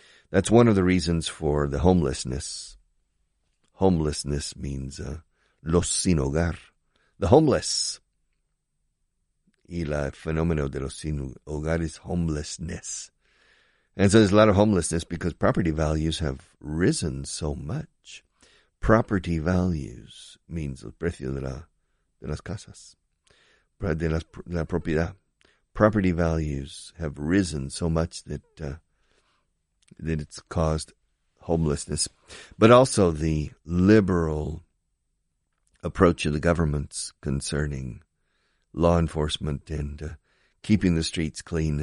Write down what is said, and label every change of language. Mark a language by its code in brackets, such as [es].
[en] That's one of the reasons for the homelessness. Homelessness means [es] los sin hogar, [en] the homeless. [es] Y la fenómeno de los sin hogar is homelessness. [en] And so there's a lot of homelessness because property values have risen so much. property values means [es] el precio de las casas, de la propiedad. [en] Property values have risen so much that it's caused homelessness. But also the liberal approach of the governments concerning law enforcement and keeping the streets clean.